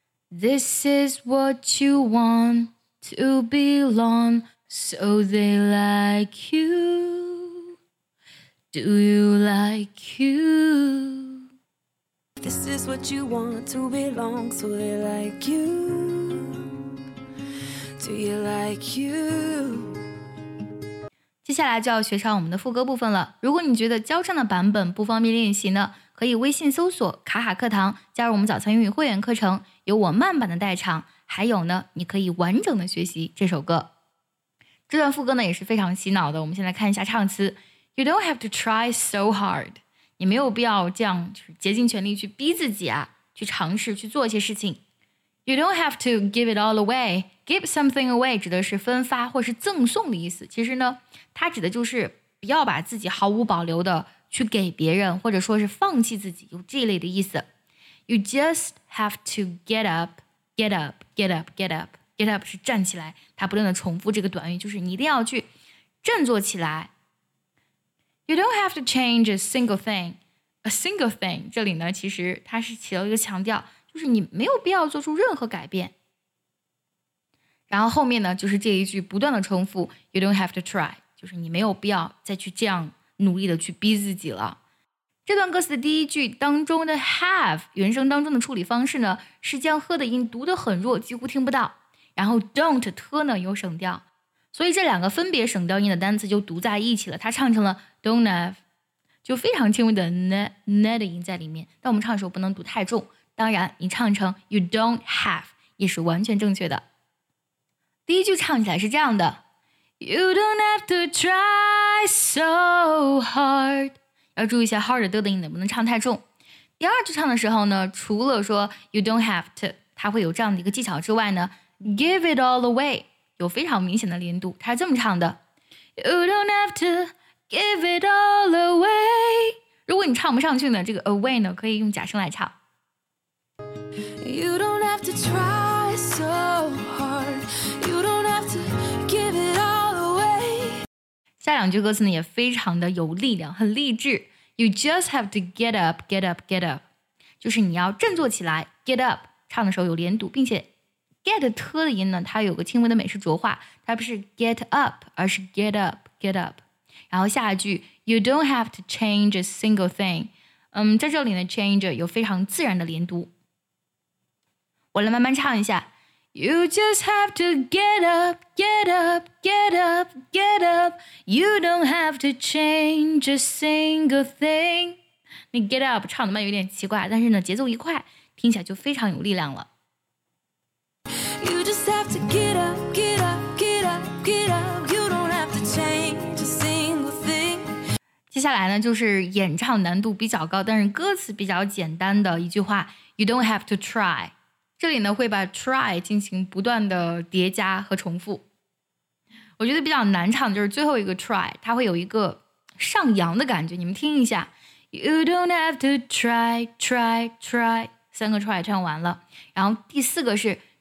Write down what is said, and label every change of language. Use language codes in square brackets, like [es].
[en] This is what you want To belong So they like youDo you like you? This is what you want to belong, so they like you. Do you like you? [zh] 接下来就要学唱我们的副歌部分了。如果你觉得教唱的版本不方便练习呢，可以微信搜索卡卡课堂，加入我们早餐英语会员课程，有我慢版的代唱，还有呢，你可以完整的学习这首歌。这段副歌呢也是非常洗脑的，我们先来看一下唱词。 [en] You don't have to try so hard. [zh] 你没有必要这样竭尽全力去逼自己啊，去尝试去做一些事情。 [en] You don't have to give it all away. Give something away [zh] 指的是分发或是赠送的意思。其实呢，它指的就是不要把自己毫无保留的去给别人，或者说是放弃自己，有这一类的意思。 [en] You just have to get up, get up, get up, get up, get up [zh] 是站起来。它不断的重复这个短语，就是你一定要去振作起来。 [en] You don't have to change a single thing. A single thing. [zh] 这里呢其实它是起了一个强调就是你没有必要做出任何改变。然后后面呢就是这一句不断的重复 [en] You don't have to try. [zh] 就是你没有必要再去这样努力的去逼自己了。这段歌词的第一句当中的 have, 原声当中的处理方式呢是将 h 的音读得很弱几乎听不到。然后 don't, 特呢有省调。所以这两个分别省掉音的单词就读在一起了它唱成了 don't have 就非常轻微的 ne 的音在里面但我们唱的时候不能读太重当然你唱成 [en] you don't have [zh] 也是完全正确的第一句唱起来是这样的 [en] You don't have to try so hard [zh] 要注意一下 hard 的音能不能唱太重第二句唱的时候呢除了说 [en] you don't have to [zh] 它会有这样的一个技巧之外呢 [en] give it all away [zh] 有非常明显的连读它是这么唱的 [en] You don't have to give it all away [zh] 如果你唱不上去呢这个 away 呢可以用假声来唱 [en] You don't have to try so hard You don't have to give it all away [zh] 下两句歌词呢也非常的有力量很励志 [en] You just have to get up, [zh] get up, get up 就是你要振作起来 get up 唱的时候有连读并且get 特的音呢它有个轻微的美式浊化它不是 get up 而是 get up get up 然后下一句 [en] you don't have to change a single thing [zh] 在这里呢 change 有非常自然的连读我来慢慢唱一下 [en] you just have to get up get up get up get up you don't have to change a single thing [zh] 那 get up 唱的慢有点奇怪但是呢节奏一快听起来就非常有力量了 [en] You just have to get up, get up, get up, get up. You don't have to change a single thing. [zh] 接下来呢，就是演唱难度比较高，但是歌词比较简单的一句话。 [en] You don't have to try. [zh] 这里呢，会把 try 进行不断的叠加和重复。我觉得比较难唱的就是最后一个 try， 它会有一个上扬的感觉。你们听一下 [en] ，You don't have to try, try, try. [zh] 三个 try 唱完了，然后第四个是。